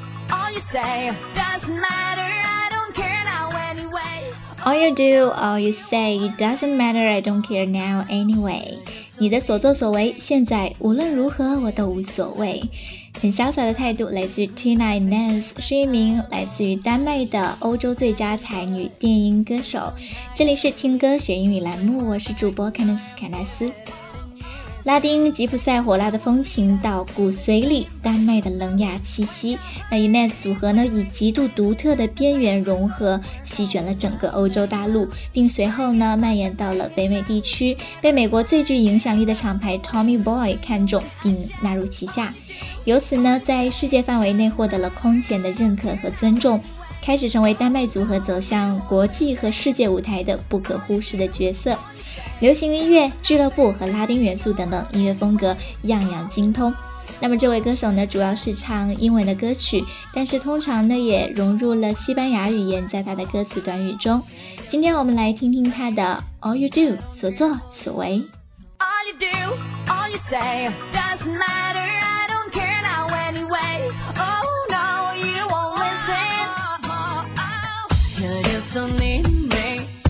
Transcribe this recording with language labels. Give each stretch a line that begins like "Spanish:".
English: All you say doesn't matter, I don't care now anyway. All you do, all you say, it doesn't matter, I don't care now anyway.
Chinese: 你的所作所为现在无论如何我都无所谓。很潇洒的态度来自于 Tina Ines， 是一名来自于丹麦的欧洲最佳才女电音歌手。这里是听歌学英语栏目，我是主播 Candice 凯纳斯。拉丁吉普赛火辣的风情到骨髓里，丹麦的冷雅气息，那 Ines 组合呢以极度独特的边缘融合席卷了整个欧洲大陆，并随后呢蔓延到了北美地区，被美国最具影响力的厂牌 Tommy Boy 看中并纳入旗下，由此呢在世界范围内获得了空前的认可和尊重，开始成为丹麦组合走向国际和世界舞台的不可忽视的角色。流行音乐、俱乐部和拉丁元素等等音乐风格样样精通。那么这位歌手呢主要是唱英文的歌曲，但是通常呢也融入了西班牙语言在他的歌词短语中。今天我们来听听他的 All You Do， 所作所为。
English: All you do, all you say, doesn't matter, I don't care now anyway. Oh no, you won't listen. You just don't need me.